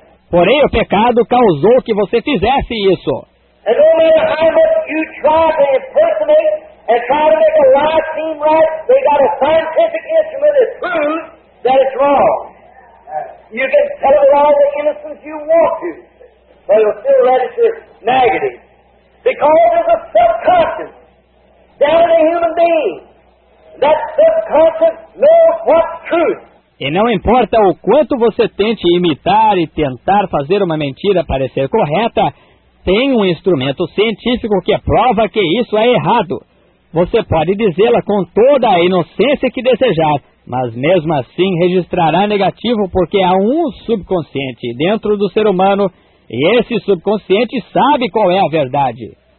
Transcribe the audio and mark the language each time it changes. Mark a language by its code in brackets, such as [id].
[pt] Porém, o pecado causou que você fizesse isso. E não importa o quanto você tenta impersonar e tentar fazer [en] a lie seem right, [pt] eles têm um instrumento científico que prove que é [en] wrong. You can tell all the innocence you want to, but it'll still register negative. Because there's a subconscious down in a human being. That subconscious knows what's truth. [pt] E não importa o quanto você tente imitar e tentar fazer uma mentira parecer correta, tem um instrumento científico que prova que isso é errado. Você pode dizê-la com toda a inocência que desejar, mas mesmo assim registrará negativo porque há um subconsciente dentro do ser humano e esse subconsciente sabe qual é a verdade.